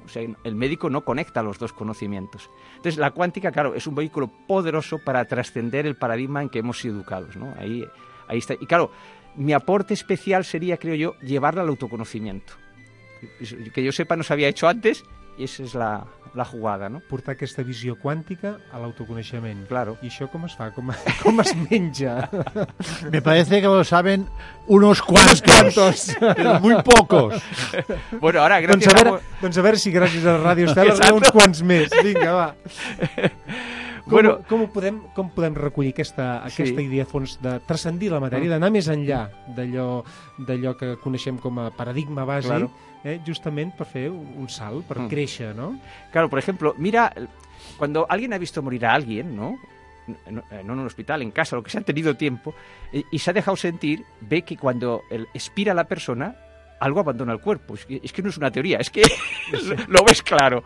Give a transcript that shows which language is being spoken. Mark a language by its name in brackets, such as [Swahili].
[Spanish] O sea, el médico no conecta los dos conocimientos. Entonces, la cuántica, claro, es un vehículo poderoso para trascender el paradigma en que hemos sido educados, ¿no? Ahí está. Y claro, mi aporte especial sería, creo yo, llevarla al autoconocimiento. Que yo sepa, no se había hecho antes, y esa es la jugada, ¿no? [Catalan] Portar aquesta visió quàntica a l'autoconeixement. [Spanish] Claro. [Catalan] I això com es fa? Com es menja? [Spanish] Me parece que lo saben unos cuantos. Muy pocos. Bueno, ahora gracias [Catalan] Doncs a veure si gràcies a la ràdio estan uns quants més. Vinga, va. Com podem recollir aquesta idea a fons de transcendir la matèria, d'anar més enllà d'allò que coneixem com a paradigma bàsic, claro. Justament per fer un salt, per créixer, no? [Spanish] Claro, por ejemplo, mira, cuando alguien ha visto morir a alguien, ¿no? No en un hospital, en casa, lo que sea, ha tenido tiempo, y se ha dejado sentir, ve que cuando expira la persona, algo abandona el cuerpo. Es que no es una teoría, es que lo ves claro.